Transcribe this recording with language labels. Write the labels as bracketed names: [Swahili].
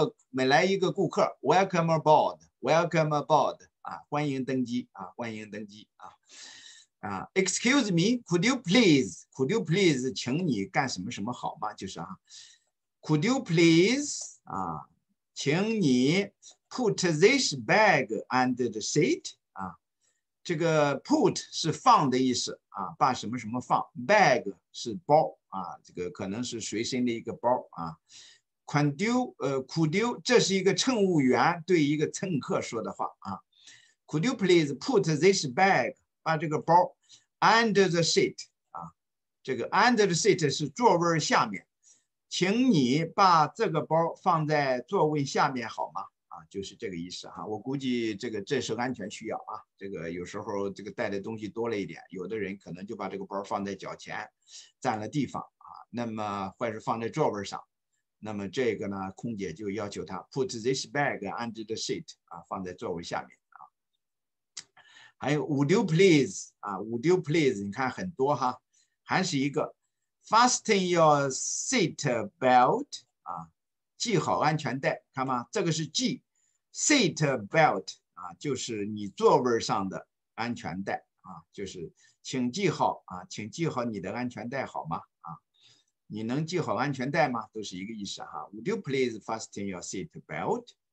[Chinese] 每来一个顾客 ， [English] welcome aboard， [Chinese] welcome aboard 啊，欢迎登机啊，欢迎登机啊。 [English] Excuse me，could you please，could you please， [Chinese] 请你干什么什么好吗？就是啊。 [English] Could you please [Chinese] 啊，请你 [English] put this bag under the seat [Chinese] 啊，这个 put 是放的意思啊，把什么什么放 ，bag 是包啊，这个可能是随身的一个包啊。 Could you 这是一个乘务员对一个乘客说的话啊。 [English] Could you please put this bag [Chinese] 把这个包 [English] under the seat 啊，这个 under the seat 是座位下面。 [Chinese] 请你把这个包放在座位下面好吗？啊，就是这个意思哈。我估计这是安全需要啊。这个有时候这个带的东西多了一点，有的人可能就把这个包放在脚前，占了地方啊。那么或者是放在座位上，那么这个呢，空姐就要求他 [English] put this bag under the seat [Chinese] 啊，放在座位下面啊。还有 [English] would you please [Chinese] 啊 ，would you please？你看很多哈，还是一个。 [English] Fasten your seat belt 啊， [Chinese] 系好安全带，看吗？这个是系 seat belt 啊，就是你座位上的安全带啊，就是请系好啊，请系好你的安全带好吗？啊，你能系好安全带吗？都是一个意思哈。 [English] Would you please fasten your seat belt？